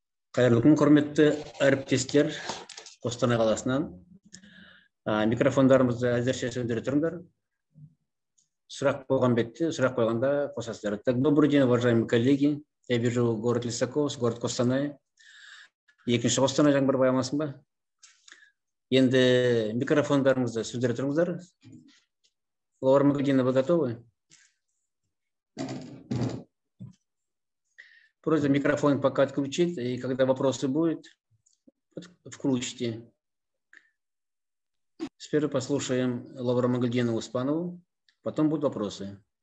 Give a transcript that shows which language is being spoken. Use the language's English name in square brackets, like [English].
[Kazakh] Қайырлы күн, құрметті әріптестер, Қостанай қаласынан. Микрофондарымызды әзірше сөндіре тұрыңдар. Сұрақ қойған бетте, сұрақ қойғанда қосасыздар. [Russian] Так, добрый день, уважаемые коллеги. Я вижу город Лисаков, город Қостанай. [Kazakh] Екінші Қостанай жаңбыр баймасын ба? Енді микрофондарымызды сөндіре тұрыңдар. [Russian] Лаура Магдинова, готовы? Просто микрофон пока отключить, и когда вопросы будут, включите. Сперва послушаем Лавру Магдинову Успанову, потом будут вопросы.